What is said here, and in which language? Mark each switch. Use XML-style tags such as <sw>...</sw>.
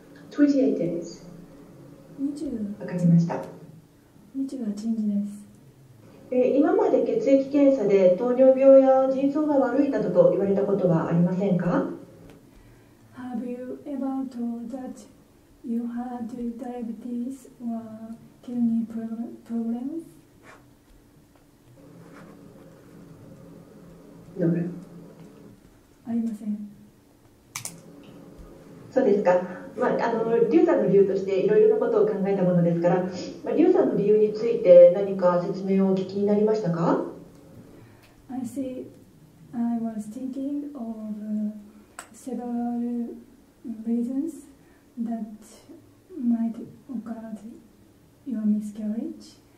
<en>28 days. 20?</en> <ja>わかりました。 28日です。今まで血液検査で糖尿病や腎臓が悪いなどと言われたことはありませんか？</ja> <en>Have you ever told that you had diabetes or kidney problems? No.</en> <ja>ありません。そうですか。まあ、流産の理由としていろいろなことを考えたものですから、流産の理由について何か説明をお聞きになりましたか？</ja> <en>I see. I was thinking of several reasons that might occur to your miscarriage.</en>